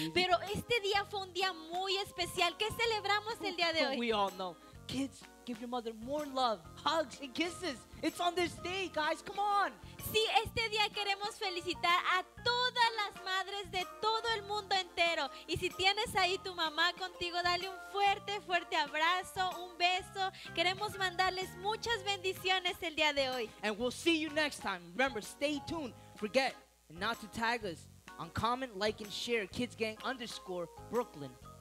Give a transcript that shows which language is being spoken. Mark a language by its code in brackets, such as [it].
[es] Pero este día fue un día muy especial. ¿Qué celebramos el día de hoy? [en] We all know. Kids, give your mother more love, hugs, and kisses. It's on this day, guys. Come on. [es] Sí, este día queremos felicitar a todas las madres de todo el mundo entero. Y si tienes ahí tu mamá contigo, dale un fuerte, fuerte abrazo, un beso. Queremos mandarles muchas bendiciones el día de hoy. [en] And we'll see you next time. Remember, stay tuned. Forget not to tag us on comment, like, and share kidsgang_Brooklyn.